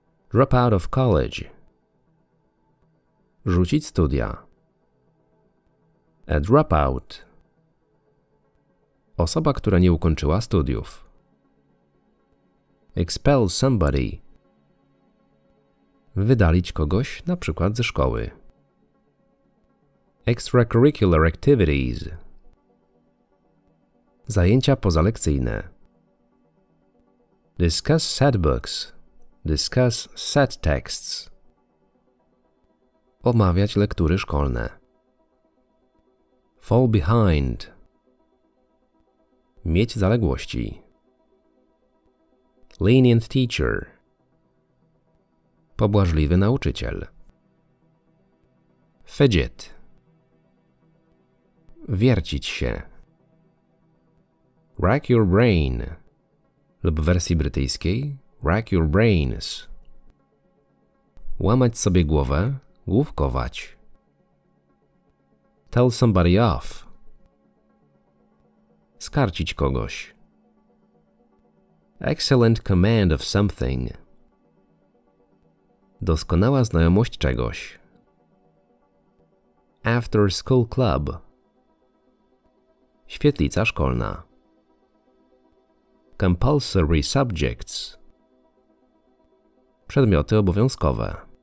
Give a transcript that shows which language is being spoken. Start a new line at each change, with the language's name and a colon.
English: Drop out of college,
Polish: rzucić studia.
English: A dropout.
Polish: Osoba, która nie ukończyła studiów.
English: Expel somebody.
Polish: Wydalić kogoś, na przykład ze szkoły.
English: Extracurricular activities.
Polish: Zajęcia pozalekcyjne.
English: Discuss set books. Discuss set texts.
Polish: Omawiać lektury szkolne.
English: Fall behind.
Polish: Mieć zaległości.
English: Lenient teacher.
Polish: Pobłażliwy nauczyciel.
English: Fidget.
Polish: Wiercić się.
English: Rack your brain.
Polish: Lub w wersji brytyjskiej
English: rack your brains.
Polish: Łamać sobie głowę, główkować.
English: Tell somebody off.
Polish: Skarcić kogoś.
English: Excellent command of something.
Polish: Doskonała znajomość czegoś.
English: After school club.
Polish: Świetlica szkolna.
English: Compulsory subjects.
Polish: Przedmioty obowiązkowe.